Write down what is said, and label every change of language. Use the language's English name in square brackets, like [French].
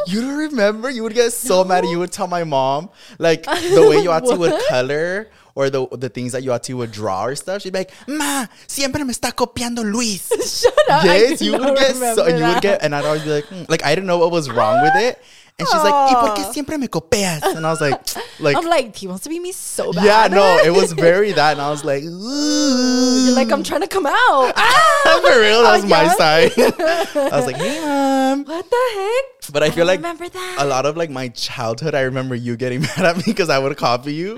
[English] You don't remember? You would get so mad and you would tell my mom, like, the way Yatsu would color or the things that Yatsu would draw or stuff. [Spanish] She'd be like, Ma, siempre me está copiando Luis. [English] Shut up. Yes, you would get so, and you would get, and I'd always be like, like, I didn't know what was wrong with it. [Spanish] And she's like, ¿y por qué siempre me copias? [English] And I was like. I'm like, he wants to be me so bad. Yeah, no, it was very that. And I was like, ooh. You're like, I'm trying to come out. For real, that was my side. I was like, hey, mom. What the heck? But I feel like remember that. A lot of like my childhood, I remember you getting mad at me because I would copy you.